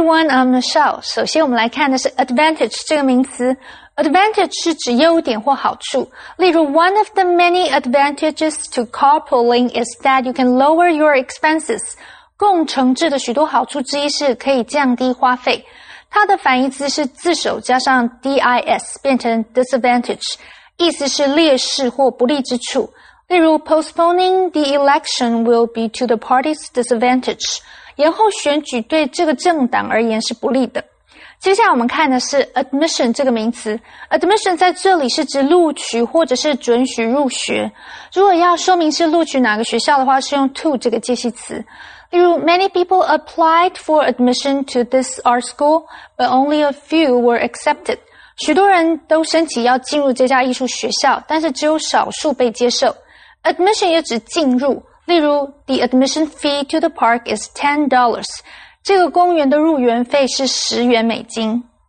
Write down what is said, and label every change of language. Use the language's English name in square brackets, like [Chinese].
[English] I'm Michelle. [Chinese] 首先我们来看的是 advantage 这个名词。 Advantage 是指优点或好处。 [English] 例如 one of the many advantages to carpooling is that you can lower your expenses. [Chinese] 共乘制的许多好处之一是可以降低花费。它的反义词是自首加上 dis, 变成 disadvantage, 意思是劣势或不利之处。 [English] 例如 postponing the election will be to the party's disadvantage. [Chinese] 延后选举对这个政党而言是不利的。接下来我们看的是 admission 这个名词。 admission 在这里是指录取或者是准许入学。如果要说明是录取哪个学校的话，是用 to 这个介系词。 [English] 例如 ,many people applied for admission to this art school, but only a few were accepted. [Chinese] 许多人都申请要进入这家艺术学校，但是只有少数被接受。 admission 也指进入。 [English] 例如 ,the admission fee to the park is $10. [Chinese] 这个公园的入园费是$10。